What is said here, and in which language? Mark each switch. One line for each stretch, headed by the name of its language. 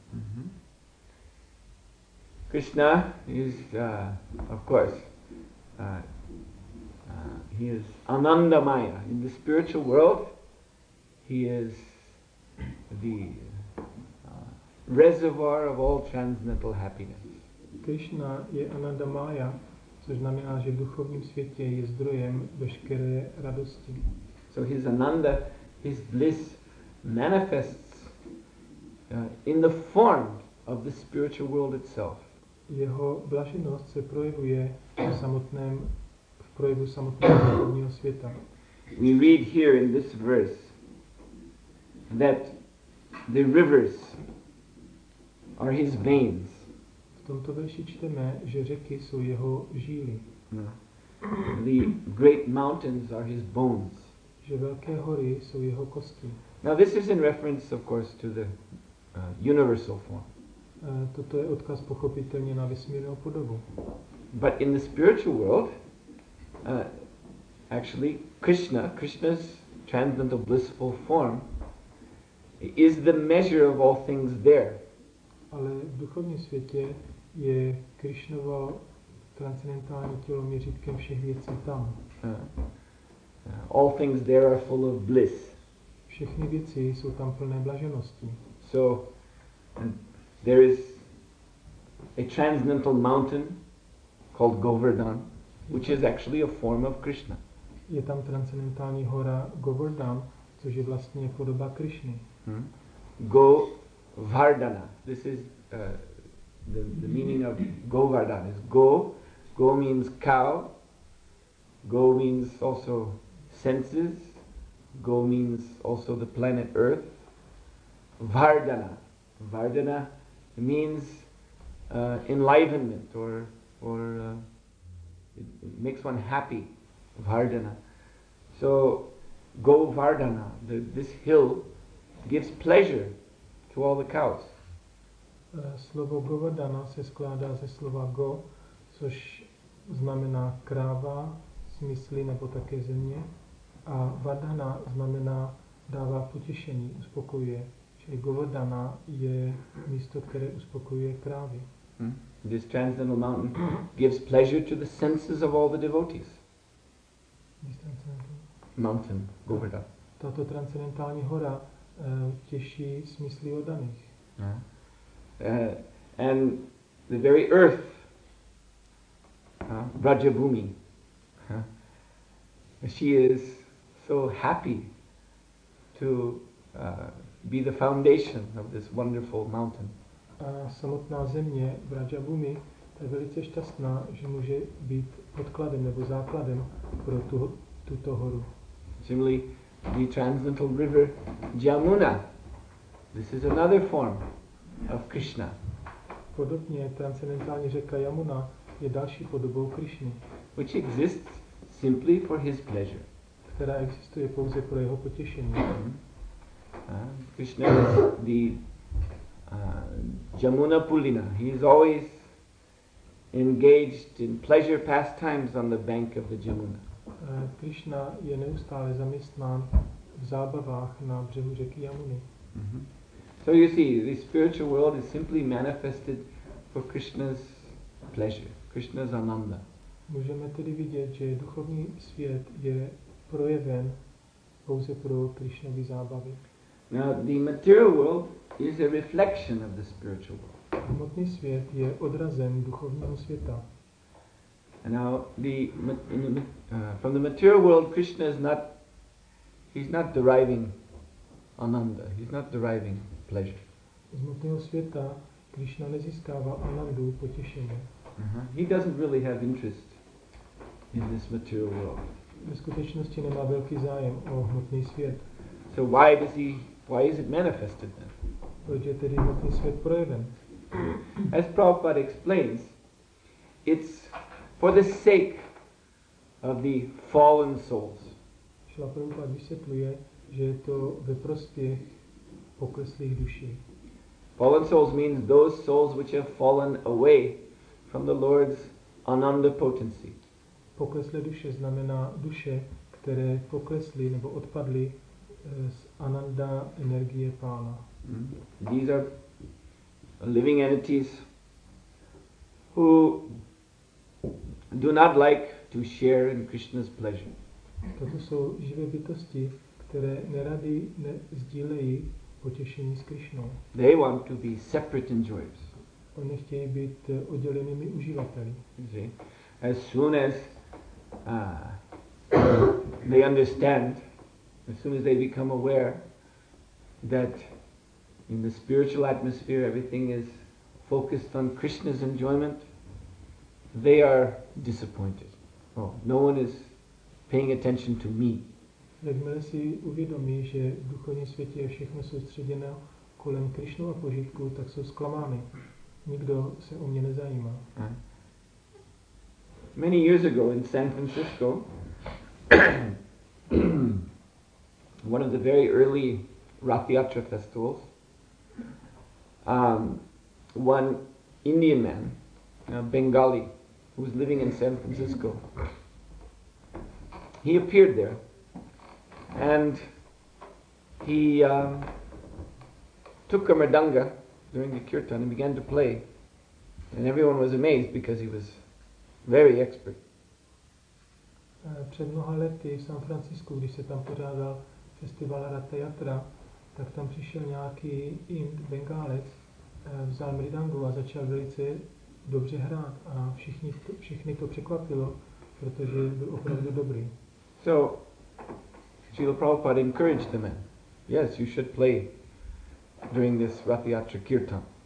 English: Mm-hmm. Krishna is, of course, he is Anandamaya. In the spiritual world, he is the reservoir of all transcendental happiness.
Czech: Krishna je Anandamaya. Což znamená, že v duchovním světě je zdrojem veškeré radosti.
English: So his ananda, his bliss manifests in the form of the spiritual world itself.
Czech: Jeho blaženost se projevuje v projevu samotného duchovního světa.
English: We read here in this verse that the rivers are his veins.
Czech: V tomto verši čteme, že řeky jsou jeho žíly.
English: The great mountains are his bones.
Czech: Že velké hory jsou jeho kosti.
English: Now this is in reference, of course, to the universal form.
Czech: Toto je odkaz pochopitelně na vesmírnou podobu.
English: But in the spiritual world, actually Krishna's transcendental blissful form is the measure of all things there.
Czech: Ale v duchovním světě je Krišnovo transcendentální tělo měřítkem všech věcí tam.
English: All things there are full of bliss.
Czech: Všechny věci jsou tam plné blaženosti.
English: So there is a transcendental mountain called Govardhan, which is actually a form of Krishna.
Czech: Je tam transcendentální hora Govardhan, což je vlastně podoba Krishny. Hmm? Govardhana.
English: This is the meaning of Govardhan. Is go. Go means cow. Go means also senses. Go means also the planet Earth. Vardhana. Vardhana means enlivenment or it makes one happy. Vardhana. So Govardhana, this hill gives pleasure to all the cows.
Czech: Slovo Govardhana se skládá ze slova go, což znamená kráva, smysly nebo také země, a Vardhana znamená dává potěšení, uspokojuje. Čili Govardhana je místo, které uspokojuje krávy.
English: This transcendental mountain gives pleasure to the senses of all the devotees. Mountain, Govardhana.
Czech: Tato transcendentální hora těší smysly oddaných.
English: And the very earth, Vrajabhumi, she is so happy to be the foundation of this wonderful mountain.
Czech: A samotná země Vrajabhumi je velice šťastná, že může být podkladem nebo základem pro tuto horu.
English: Similarly, the transcendental river Jamuna, this is another form of Krishna.
Czech: Podobně transcendentální řeka Jamuna je další podobou Krishny,
English: which exists simply for his pleasure.
Czech: Která existuje pouze pro jeho potěšení.
English: Krishna is the Jamuna Pulina. He is always engaged in pleasure pastimes on the bank of the Jamuna.
Czech: Krishna je neustále zaměstnán v zábavách na břehu řeky Jamuny.
English: So you see, the spiritual world is simply manifested for Krishna's pleasure, Krishna's ananda.
Czech: Můžeme tedy vidět, že duchovní svět je projeven pouze pro Krishnovy zábavy.
English: Now, the material world is a reflection of the spiritual world.
Czech: Hmotný svět je odrazem duchovního světa.
English: And now, from the material world, Krishna is not, he's not deriving ananda, he's not deriving pleasure.
Czech: Z hmotného světa Krishna nezískává anandu, potěšení.
English: He doesn't really have interest in this material world.
Czech: Ve skutečnosti nemá velký zájem o hmotný svět.
English: So why is it manifested then?
Czech: Proč je tedy hmotný svět projeven?
English: As Prabhupada explains, it's for the sake of the fallen souls.
Czech: Srila Prabhupada vysvětluje, že je to ve prospěch pokleslých duší.
English: Fallen souls means those souls which have fallen away from the Lord's ananda potency.
Czech: Pokleslé duše znamená duše, které poklesly nebo odpadly z ananda energie pána.
English: These are living entities who do not like to share in Krishna's pleasure.
Czech: Toto jsou živé bytosti, které nerady sdílejí potěšení s Krishnou.
English: They want to be separate enjoyers.
Czech: Oni chtějí být oddělenými uživateli.
English: See? As soon as they understand, as soon as they become aware that in the spiritual atmosphere everything is focused on Krishna's enjoyment, they are disappointed. Oh, no one is paying attention to me.
Czech: Jakmile si uvědomí, že v duchovním světě je všechno soustředěno kolem Krišnova požitku, tak jsou zklamány. Nikdo se o mě nezajímá.
English: Many years ago in San Francisco, one of the very early Rathyatra festivals, one Indian man, a Bengali, who was living in San Francisco, he appeared there, and he took a mridanga during the kirtan and began to play, and everyone was amazed because he was very expert.
Czech: Před mnoha lety v San Francisco, když se tam pořádal festival Rathyatra, tak tam přišel nějaký Ind Bengálec, vzal mridangu a začal velice dobře hrát a všichni to překvapilo, protože byl opravdu dobrý.
English: So, Srila Prabhupada encouraged the men. Yes, you should play during this Rathyatra Kirtan.